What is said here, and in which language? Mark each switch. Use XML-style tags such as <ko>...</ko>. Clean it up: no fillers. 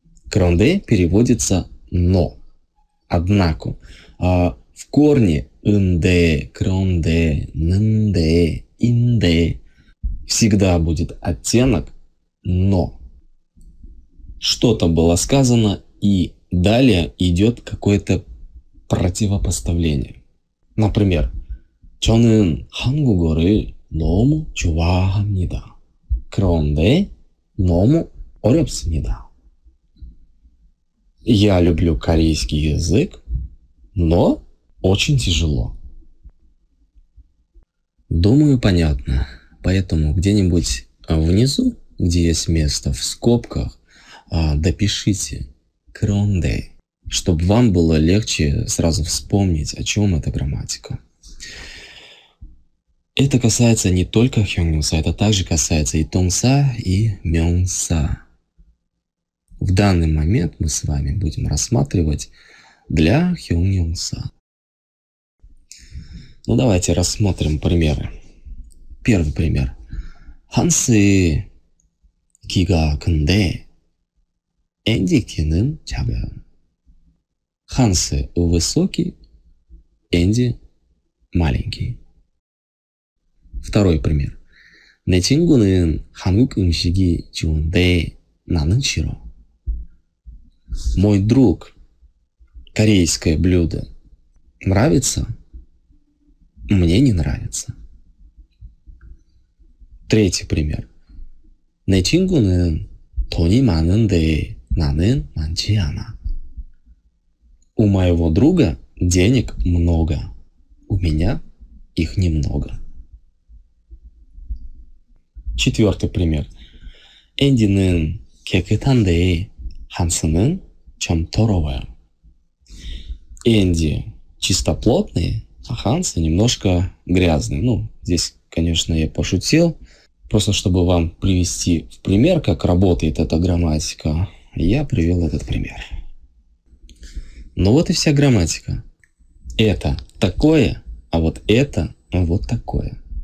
<ru>Кронде переводится но. Однако в корне нде, кронде, нде, инде всегда будет оттенок но. Что-то было сказано, и далее идет какое-то противопоставление.</ru> <ko>Например, 저는 한국어를 너무 좋아합니다. 그런데 너무 어렵습니다.</ko> <ru>Я люблю корейский язык, но очень тяжело. Думаю, понятно. Поэтому где-нибудь внизу, где есть место в скобках, допишите 그런데, чтобы вам было легче сразу вспомнить, о чем эта грамматика. Это касается не только хёнгёнса, это также касается и тонгса, и мёнса. В данный момент мы с вами будем рассматривать для хёнгёнса. Ну давайте рассмотрим примеры. Первый пример.</ru> <ko>Хансы кига кэндэ энди кэнэн чагэ.</ko> <ru>Хансы высокий, Энди маленький. Второй пример.</ru> <ko>내 친구는 한국 음식이 좋은데 나는 싫어.</ko> <ru>Мой друг, корейское блюдо нравится? Мне не нравится. Третий пример.</ru> <ko>내 친구는 돈이 많은데 나는 많지 않아.</ko> <ru>У моего друга денег много, у меня их немного. Четвертый пример.</ru> <ko>Энди는 깨끗한데 한스는 좀 더러워요.</ko> <ru>Энди чистоплотный, а Ханса немножко грязный. Ну, здесь, конечно, я пошутил. Просто чтобы вам привести в пример, как работает эта грамматика, я привел этот пример. Ну вот и вся грамматика. Это такое, а вот это вот такое.</ru>